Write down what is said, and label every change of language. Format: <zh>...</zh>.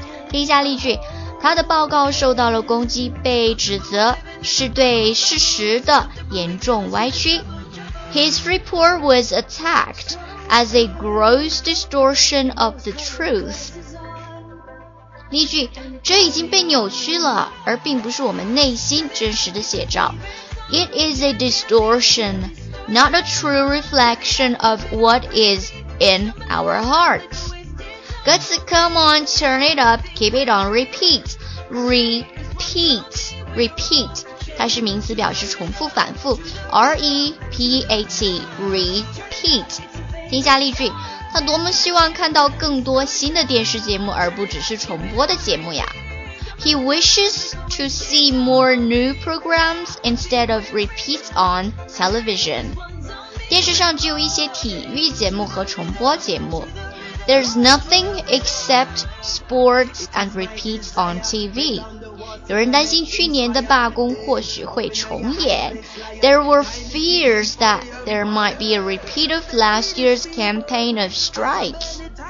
<zh>听一下例句，他的报告受到了攻击，被指责是对事实的严重歪曲。</zh> <en>His report was attacked. As a gross distortion of the truth.</en> <zh>例句，这已经被扭曲了，而并不是我们内心真实的写照。</zh> <en>It is a distortion, not a true reflection of what is in our hearts.</en> <zh>歌词</zh> <en>Come on, turn it up, keep it on, repeat. Repeat, repeat.</en> <zh>它是名词表示重复反复。</zh> <en>R-E-P-E-A-T, repeat.</en> <zh>听下例句，他多么希望看到更多新的电视节目，而不只是重播的节目呀。</zh> <en>He wishes to see more new programs instead of repeats on television.</en> <zh>电视上只有一些体育节目和重播节目。</zh> <en>There's nothing except sports and repeats on TV.</en> <zh>有人担心去年的罢工或许会重演。</zh> <en>There were fears that there might be a repeat of last year's campaign of strikes.</en>